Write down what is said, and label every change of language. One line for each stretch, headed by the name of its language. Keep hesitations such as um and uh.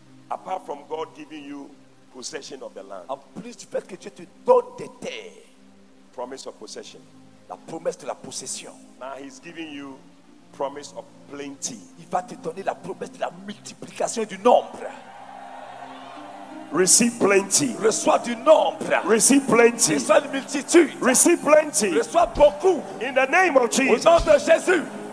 English: Apart from God giving you possession of the land.
French: En plus du fait que Dieu te donne des
English: promise of possession.
French: La promesse de la possession.
English: Now he's giving you promise of plenty.
French: Il va te donner la promesse de la multiplication du nombre.
English: Receive plenty.
French: Reçois du nombre.
English: Receive plenty.
French: Reçois de multitude. Receive plenty. Reçois beaucoup.
English: In the name of Jesus.
French: Au nom de Jésus.